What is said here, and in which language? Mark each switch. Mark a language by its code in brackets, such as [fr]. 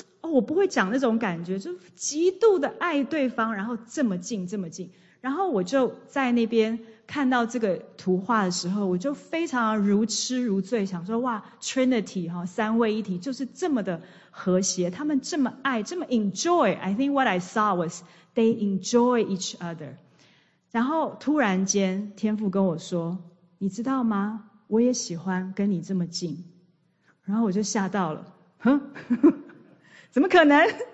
[zh] 我不会讲那种感觉，就极度的爱对方，然后这么近，然后我就在那边看到这个图画的时候，我就非常如痴如醉，想说哇 Trinity 三位一体就是这么的和谐，他们这么爱，这么 enjoy。 [en] I think what I saw was they enjoy each other。 [zh] 然后突然间天父跟我说，你知道吗，我也喜欢跟你这么近。然后我就吓到了，怎么可能？